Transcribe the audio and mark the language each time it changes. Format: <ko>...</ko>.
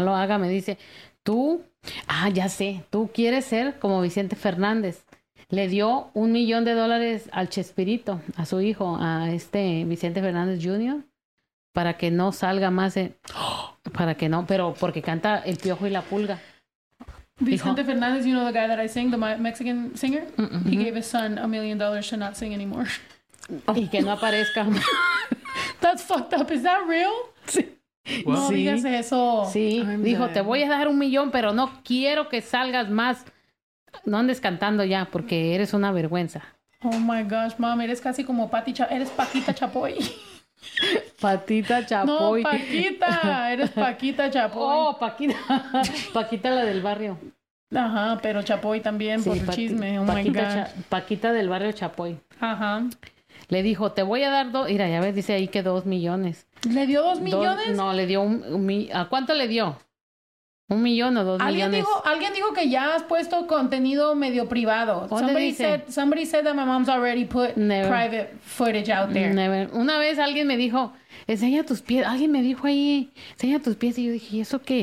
<es>lo haga, me dice, tú, ah, ya sé, tú quieres ser como Vicente Fernández. Le dio $1,000,000 al Chespirito, a su hijo, a este Vicente Fernández Jr., para que no salga más, para que no, pero porque canta El Piojo y la Pulga.</es> <en>Vicente Fernández, you know the guy that I sing, the Mexican singer? Mm-mm. He gave his son $1,000,000 to not sing anymore.</en> <es>Y que no aparezca.</es> <en>That's fucked up. Is that real?</en> <es>Sí. No digas eso. Sí. Dijo, te voy a dar $1,000,000, pero no quiero que salgas más. No andes cantando ya, porque eres una vergüenza.</es> <en>Oh my gosh, mom,</en> <es>eres casi como eres Paquita Chapoy. Patita Chapoy. No, Paquita. Eres Paquita Chapoy. Oh, Paquita. Paquita la del barrio. Ajá, pero Chapoy también sí, por el chisme. Oh, Paquita,</es> <en>my God.</en> <es>Paquita del barrio Chapoy. Ajá. Le dijo, te voy a dar dos... Mira, ya ves, dice ahí que $2,000,000. ¿Le dio $2,000,000? No, le dio ¿a cuánto le dio? $1,000,000 o $2,000,000. Alguien dijo que ya has puesto contenido medio privado.</es> <en>Somebody said that my mom's already put private footage out there. Never.</en> <es>Una vez alguien me dijo, enseña tus pies. Alguien me dijo ahí, enseña tus pies. Y yo dije, ¿y eso qué</es>